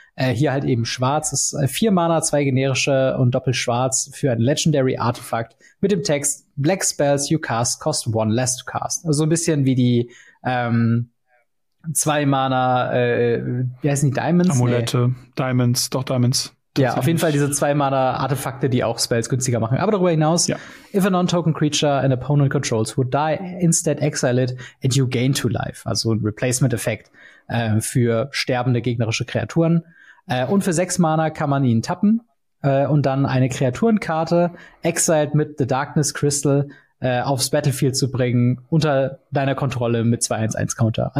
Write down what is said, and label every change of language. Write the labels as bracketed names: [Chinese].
[German] Hier halt eben schwarz. Das ist 4 Mana, 2 generische und doppelschwarz für ein Legendary Artefakt mit dem Text [English] Black Spells you cast cost one less to cast. [German] Also ein bisschen wie die 2 Mana, wie heißen die, Diamonds? Amulette, Diamonds, doch Diamonds. Ja, auf jeden Fall diese 2-Mana-Artefakte, die auch Spells günstiger machen. Aber darüber hinaus, [English] if a non-token creature an opponent controls would die, instead exile it, and you gain 2 life. [German] Also ein Replacement-Effekt für sterbende gegnerische Kreaturen. Und für 6 Mana kann man ihn tappen und dann eine Kreaturenkarte exiled mit The Darkness Crystal aufs Battlefield zu bringen, unter deiner Kontrolle mit 2-1-1-Counter.